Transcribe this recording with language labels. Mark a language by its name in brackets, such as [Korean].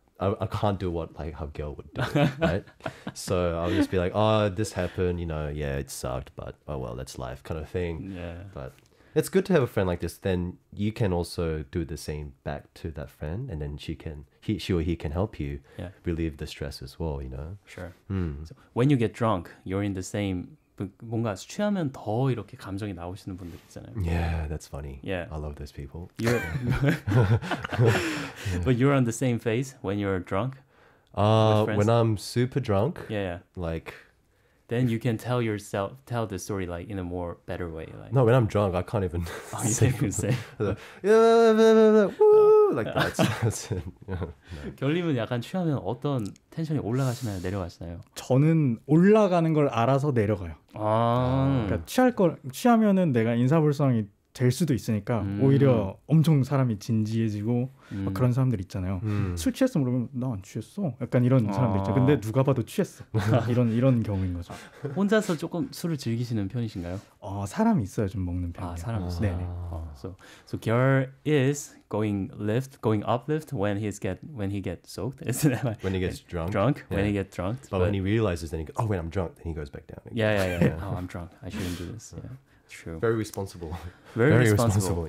[English] I can't do what like how girl would do, right? So I'll just be like, oh, this happened, you know, yeah, it sucked, but oh well, that's life kind of thing. Yeah. But it's good to have a friend like this. Then you can also do the same back to that friend, and then she or he can help you yeah. relieve the stress as well, you know? Sure. Mm. So when you get drunk, you're in the same... [Korean] 뭔가 취하면 더 이렇게 감정이 나오시는 분들 있잖아요. [English] Yeah, that's funny. Yeah. I love those people. You're But you're on the same phase when you're drunk? When I'm super drunk? Yeah, yeah. Like then you can tell the story like in a more better way like. No, when I'm drunk, I can't even say. Like that. [Korean] 결림은 약간 취하면 어떤 텐션이 올라가시나요, 내려가시나요? 저는 올라가는 걸 알아서 내려가요. 아. 그러니까 취하면은 내가 인사불성이 될 수도 있으니까 오히려 엄청 사람이 진지해지고 막 그런 사람들 있잖아요. 술 취했어 그러면 나 안 취했어. 약간 이런 사람들 있죠. 근데 누가 봐도 취했어. 이런 경우인 거죠. 혼자서 조금 술을 즐기시는 편이신가요? 사람이 있어야 좀 먹는 편이에요. 아, 사람 있어. 네. 네. [English] So girl is going uplift when he get soaked. Isn't that right? When he gets drunk. Drunk. Yeah. When he get drunk. But when he realizes, then he goes, oh, when I'm drunk, then he goes back down. Yeah, yeah, yeah. Yeah. Oh, I'm drunk. I shouldn't do this. Yeah. True. Very responsible. Very responsible.